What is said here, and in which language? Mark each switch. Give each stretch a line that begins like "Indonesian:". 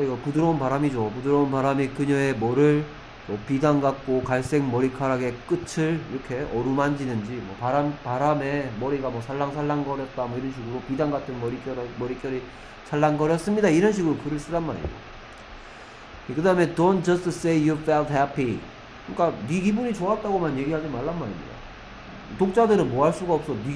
Korean: 이거 부드러운 바람이죠. 부드러운 바람이 그녀의 뭐를 뭐 비단 같고 갈색 머리카락의 끝을 이렇게 어루만지는지 뭐 바람에 머리가 뭐 살랑살랑 거렸다 뭐 이런 식으로 비단 같은 머릿결이 찰랑거렸습니다 이런 식으로 글을 쓰란 말이에요. 그 다음에
English: don't just say you felt happy.
Korean: 그러니까 네 기분이 좋았다고만 얘기하지 말란 말입니다. 독자들은 뭐 할 수가 없어.